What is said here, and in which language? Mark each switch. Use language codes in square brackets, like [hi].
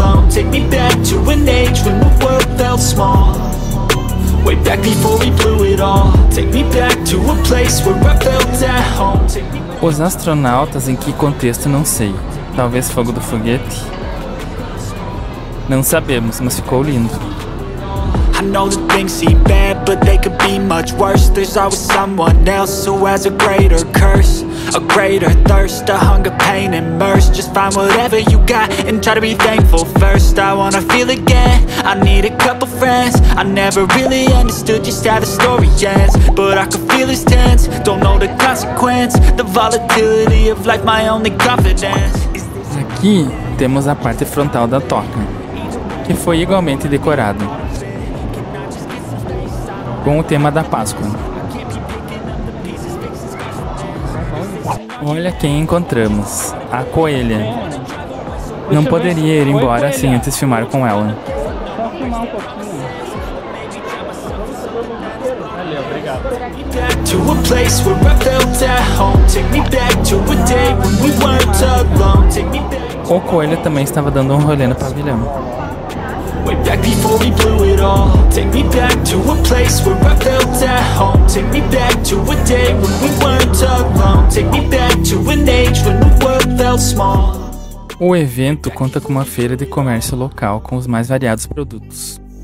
[en] Take me back to an age when the world felt small. Way back before we blew it all. Take me back to a place where I felt at home. [pt] Os astronautas, em que contexto não sei. Talvez fogo do foguete. Não sabemos, mas ficou lindo. [en] I know that things seem bad, but they could be much worse. There's always someone else who has a greater curse. A greater thirst, a hunger, pain, and mercy. Just find whatever you got and try to be thankful first. I wanna feel again, I need a couple friends. I never really understood just how the story ends. But I could feel his tense, don't know the consequence. The volatility of life, my only confidence. [pt] Aqui temos a parte frontal da toca, que foi igualmente decorado com o tema da Páscoa. Olha quem encontramos, a coelha. Não poderia ir embora assim antes de filmar com ela. [en] To a place where I felt at home. Take me back to a day when we weren't alone. Take me back. [pt] O coelho também estava dando um rolê no pavilhão. [en] Way back before we blew it all. Take me back to a place where I felt at home. Take me back to a day when we weren't alone. Take me back to an age when the world felt small. [pt] O evento conta com uma feira de comércio local com os mais variados produtos.